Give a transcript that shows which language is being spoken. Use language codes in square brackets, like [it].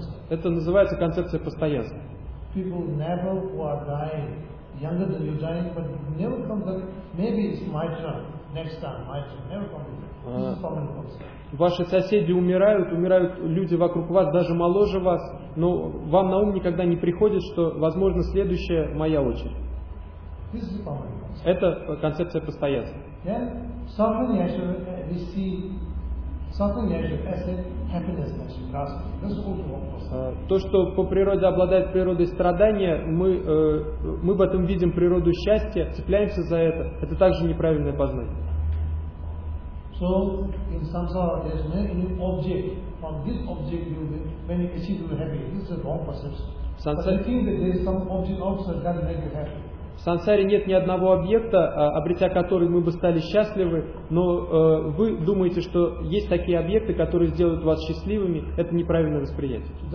[ru] Это называется концепция постоянства. [en] People never who are dying. Younger than you dying, but never come back. Maybe it's my turn next time. My turn. Never come back. This is permanent concept. [ru] Ваши соседи умирают, умирают люди вокруг вас, даже моложе вас, но вам на ум никогда не приходит, что, возможно, следующая моя очередь. [en] This is permanent concept. [ru] Это концепция постоянства. [en] Then suffering actually we see suffering actually as a happiness actually. That's also wrong concept. [ru] То, что по природе обладает природой страдания, мы в этом видим природу счастья, цепляемся за это также неправильное познание. [en] So in samsara there's many object. From this object you when you achieve you happy. This is a wrong perception. Sansara, but I think that there is some object also that can make you happy. [ru] В сансаре нет ни одного объекта, обретя который мы бы стали счастливы, но вы думаете, что есть такие объекты, которые сделают вас счастливыми, это неправильное восприятие.